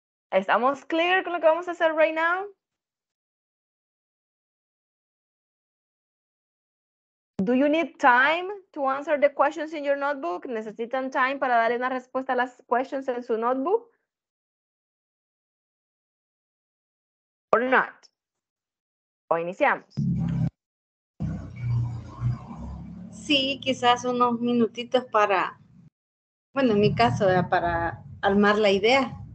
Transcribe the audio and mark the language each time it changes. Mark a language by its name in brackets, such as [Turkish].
[Spanish] ¿Estamos clear con lo que vamos a hacer [English] right now? Do you need time to answer the questions in your notebook? [Spanish] ¿Necesitan time para darle una respuesta a las questions en su notebook? [English] Or not? [Spanish] ¿O iniciamos? Sí, quizás unos minutitos para, bueno, en mi caso, para armar la idea.